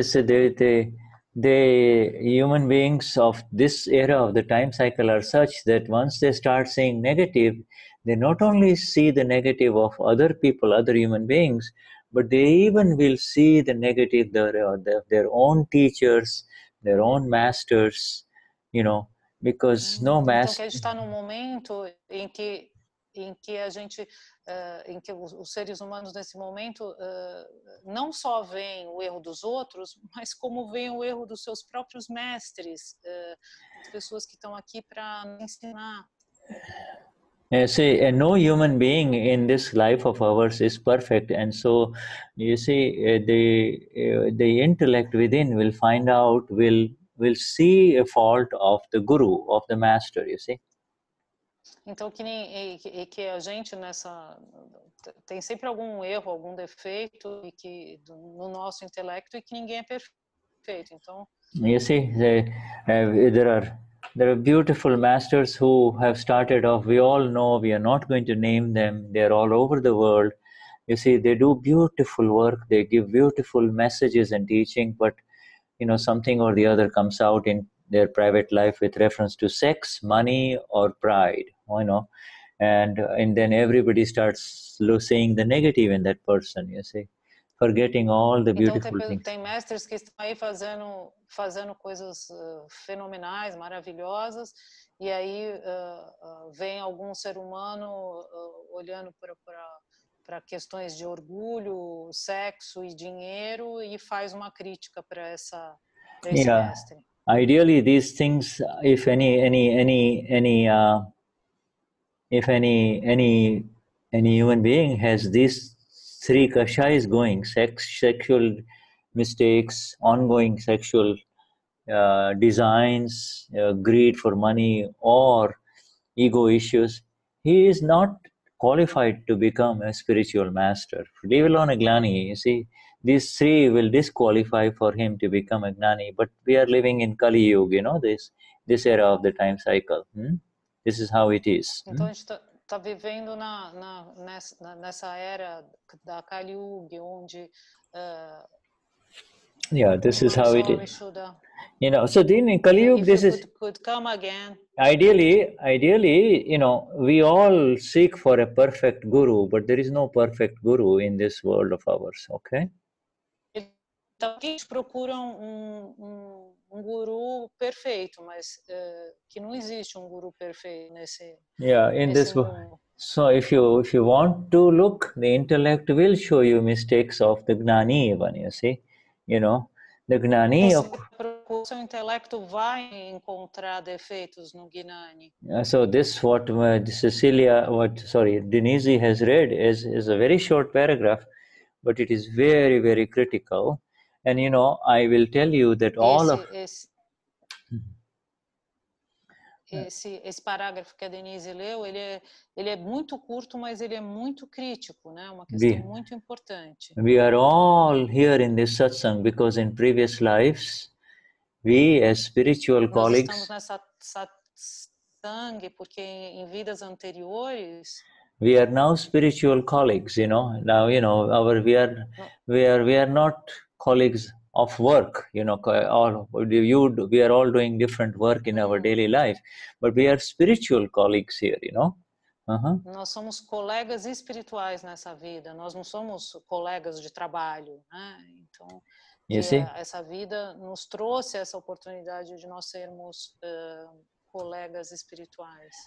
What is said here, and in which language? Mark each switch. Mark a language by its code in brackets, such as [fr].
[en] The human beings of this era of the time cycle are such that once they start seeing negative, they not only see the negative of other people, other human beings, but they even will see the negative of their own teachers, their own masters, you know, because no master... [pt] Então, a gente está num momento em que a gente em que os seres humanos nesse momento não só veem o erro dos outros, mas como veem o erro dos seus próprios mestres, as pessoas que estão aqui para ensinar. [en] See, no human being in this life of ours is perfect, and so you see the intellect within will find out, will see a fault of the guru, of the master, you see. [pt] Então que nem que a gente nessa tem sempre algum erro, algum defeito e que no nosso intelecto e que ninguém é perfeito. Então, [en] you see, there are beautiful masters who have started off. We all know, we are not going to name them. They are all over the world. You see, they do beautiful work. They give beautiful messages and teaching, but you know, something or the other comes out in their private life with reference to sex, money, or pride, you know, and then everybody starts seeing the negative in that person, you see, forgetting all the beautiful [pt] então, [en] things. [pt] Tem mestres que estão aí fazendo coisas fenomenais, maravilhosas, e aí vem algum ser humano olhando para questões de orgulho, sexo e dinheiro e faz uma crítica para essa esse [en] yeah. [pt] mestre. [en] Ideally, these things, if any human being has these three kashayas going, sexual mistakes, ongoing sexual designs, greed for money, or ego issues, he is not qualified to become a spiritual master. Leave alone a Gnani, you see. These three will disqualify for him to become a Gnani, but we are living in Kali Yuga, you know, this era of the time cycle. Hmm? This is how it is. [pt] Então, a gente está vivendo nessa era da Kali Yuga, onde... [en] yeah, this is how it is. You know, so then in Kali Yuga, this is... could come again. Ideally, you know, we all seek for a perfect guru, but there is no perfect guru in this world of ours, okay? [pt] Então, a gente procura um guru perfeito, mas que não existe um guru perfeito nesse mundo. [en] Yeah, in this world. So, if you want to look, the intellect will show you mistakes of the Gnani, even, you see? You know, the Gnani of... [pt] Seu intelecto vai encontrar defeitos no Gnani. [en] So, this what Cecilia, Denise has read is a very short paragraph, but it is very, very critical. And you know, I will tell you that [pt] esse parágrafo que a Denise leu, ele é muito curto, mas ele é muito crítico, né? Uma questão muito importante. [en] We are all here in this satsang because in previous lives, we as spiritual colleagues. [pt] Nós estamos nessa satsang porque em vidas anteriores. [en] We are now spiritual colleagues, you know. Now you know our we are not colleagues of work, you know, we are all doing different work in our daily life, but we are spiritual colleagues here, you know. Uh-huh. [pt] Nós somos colegas espirituais nessa vida, nós não somos colegas de trabalho, né? Então, essa vida nos trouxe essa oportunidade de nós sermos colegas espirituais.